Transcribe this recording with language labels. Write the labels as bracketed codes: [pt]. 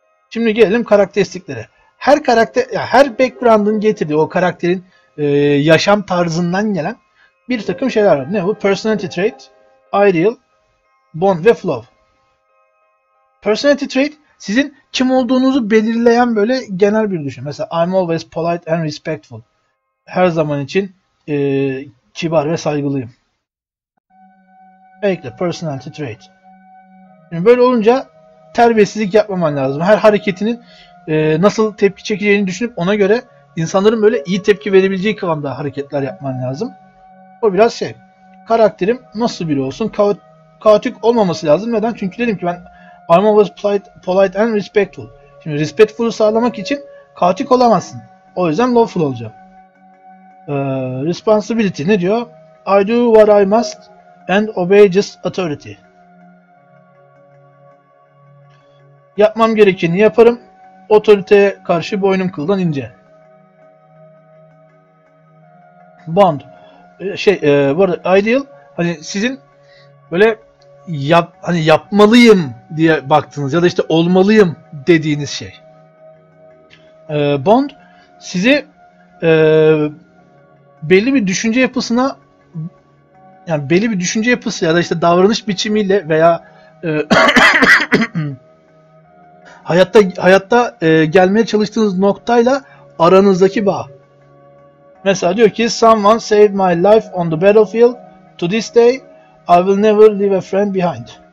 [tr] Şimdi gelelim karakteristiklere. Her karakter, ya her background'ın getirdiği, o karakterin yaşam tarzından gelen bir takım şeyler var. Ne bu? [en] Personality trait, ideal, bond ve flaw. [tr] Personality trait sizin kim olduğunuzu belirleyen böyle genel bir düşünce. Mesela [en] I'm always polite and respectful. [tr] Her zaman için kibar ve saygılıyım. Ekle personality trait. Şimdi böyle olunca terbiyesizlik yapmaman lazım. Her hareketinin nasıl tepki çekeceğini düşünüp ona göre insanların böyle iyi tepki verebileceği kıvamda hareketler yapman lazım. O biraz şey. Karakterim nasıl biri olsun? Kaotik olmaması lazım. Neden? Çünkü dedim ki ben [en] I'm always polite and respectful. [tr] Şimdi respectful'u sağlamak için kaotik olamazsın. O yüzden lawful olacağım. Responsibility ne diyor? [en] I do what I must and obey just authority. [tr] Yapmam gerekeni yaparım. Otoriteye karşı boynum kıldan ince. Bond. Bu arada ideal hani sizin böyle hani yapmalıyım diye baktığınız ya da işte olmalıyım dediğiniz şey. Bond sizi belli bir düşünce yapısına, yani belli bir düşünce yapısı ya da işte davranış biçimiyle veya hayatta gelmeye çalıştığınız noktayla aranızdaki bağ. Mesela diyor ki [en] someone saved my life on the battlefield. To this day I will never leave a friend behind.